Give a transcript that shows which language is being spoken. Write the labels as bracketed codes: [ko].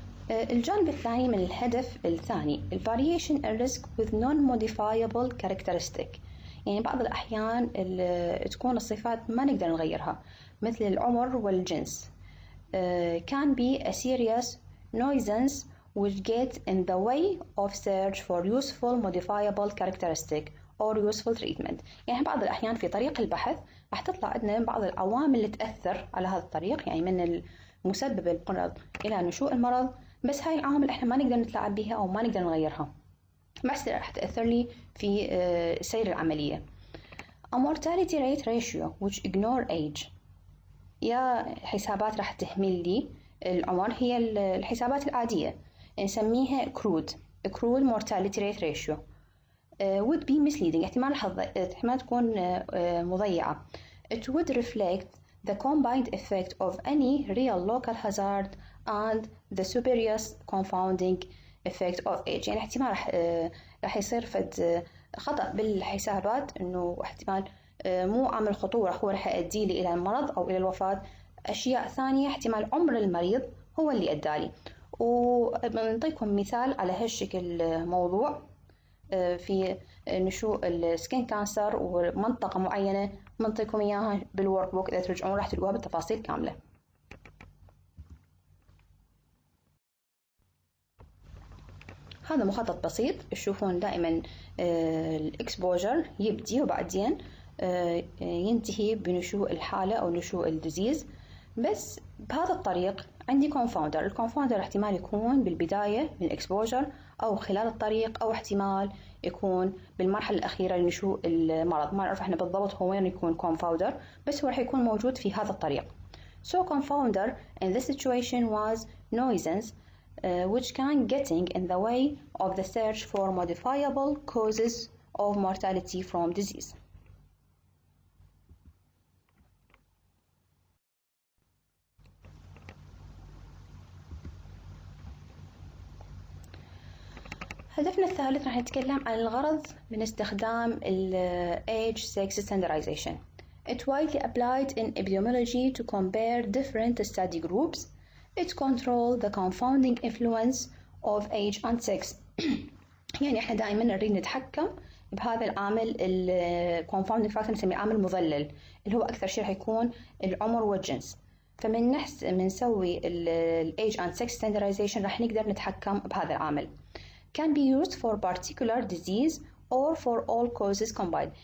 [ar] الجانب الثاني من الهدف الثاني الـ [en] variation in risk with non-modifiable characteristic، [ar] يعني بعض الأحيان تكون الصفات ما نقدر نغيرها مثل العمر والجنس. [en] Can be a serious nuisance which gets in the way of search for useful modifiable characteristic or useful treatment. [ar] يعني بعض الأحيان في طريق البحث راح تطلع عندنا بعض العوامل اللي تأثر على هذا الطريق، يعني من المسبب المرض إلى نشوء المرض، بس هاي العوامل إحنا ما نقدر نتلاعب بها أو ما نقدر نغيرها، بس راح تأثر لي في سير العملية. [en] A mortality rate ratio which ignore age. [ar] يا حسابات راح تهمل لي العمر، هي الحسابات العادية نسميها crude. [en] Crude mortality rate ratio would be misleading. [ar] احتمال احتمال تكون مضيعة. [en] It would reflect the combined effect of any real local hazard and the spurious confounding effect of age. [ar] يعني احتمال راح يصير فد خطأ بالحسابات انه احتمال مو عامل خطورة هو راح يؤدي لي الى المرض او الى الوفاة، اشياء ثانية احتمال عمر المريض هو اللي ادى لي. وبنعطيكم مثال على هالشكل موضوع في نشوء السكين كانسر ومنطقة معينة، بنعطيكم اياها بالورك بوك اذا ترجعون راح تلقوها بالتفاصيل كاملة. هذا مخطط بسيط، تشوفون دائما الاكسبوجر يبدي وبعدين ينتهي بنشوء الحالة او نشوء الديزيز. بس بهذا الطريق عندي كونفاوندر، الكونفاوندر احتمال يكون بالبداية من الاكسبوجر او خلال الطريق او احتمال يكون بالمرحلة الاخيرة لنشوء المرض، ما نعرف احنا بالضبط هو وين يكون كونفاوندر، بس هو راح يكون موجود في هذا الطريق. [en] So confounder in this situation was nuisance which can getting in the way of the search for modifiable causes of mortality from disease. [ar] هدفنا الثالث راح نتكلم عن الغرض من استخدام الـ age sex standardization. [en] It widely applied in epidemiology to compare different study groups. It control the confounding influence of age and sex. [ar] يعني احنا دائما نريد نتحكم بهذا العامل الـ confounding factor، نسميه عامل مضلل اللي هو اكثر شيء راح يكون العمر والجنس. فمن نحس من نسوي الـ age and sex standardization راح نقدر نتحكم بهذا العامل. [en] Can be used for particular disease or for all causes combined.